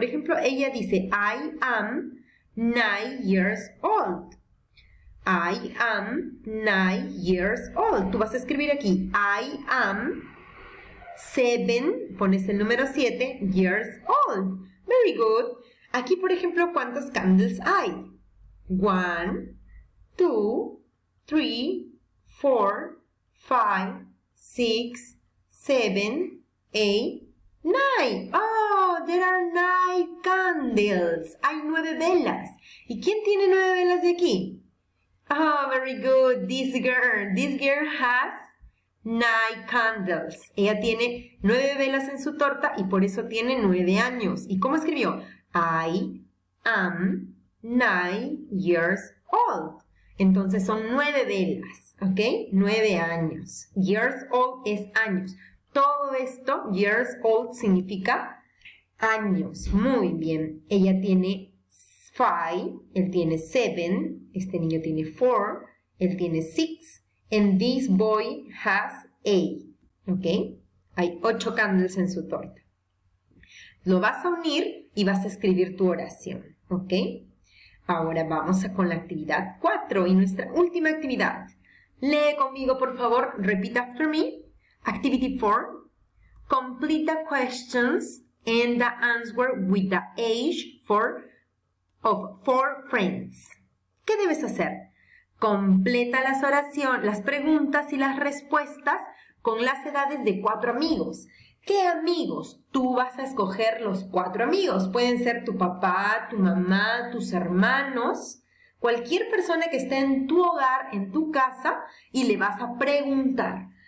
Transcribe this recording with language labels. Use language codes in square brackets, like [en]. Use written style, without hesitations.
[es] Por ejemplo, ella dice, [en] I am 9 years old. I am 9 years old. [es] Tú vas a escribir aquí, [en] I am seven, [es] pones el número 7, [en] years old. Very good. [es] Aquí, por ejemplo, ¿cuántos candles hay? [en] One, two, three, four, five, six, seven, eight, nine. Oh, there are 9 candles. [es] Hay 9 velas. ¿Y quién tiene 9 velas de aquí? [en] Oh, very good. This girl has 9 candles. [es] Ella tiene 9 velas en su torta y por eso tiene 9 años. ¿Y cómo escribió? [en] I am 9 years old. [es] Entonces son 9 velas, ¿ok? 9 años. Years old es años. Todo esto, years old, significa años. Muy bien. Ella tiene 5, él tiene 7, este niño tiene 4, él tiene 6, [en] and this boy has 8, [es] ¿ok? Hay 8 candles en su torta. Lo vas a unir y vas a escribir tu oración, ¿ok? Ahora vamos a con la actividad 4 y nuestra última actividad. Lee conmigo, por favor. [en] Repeat after me. Activity 4. Complete the questions and the answer with the age of 4 friends. [es] ¿Qué debes hacer? Completa las oraciones, las preguntas y las respuestas con las edades de 4 amigos. ¿Qué amigos? Tú vas a escoger los 4 amigos. Pueden ser tu papá, tu mamá, tus hermanos, cualquier persona que esté en tu hogar, en tu casa, y le vas a preguntar.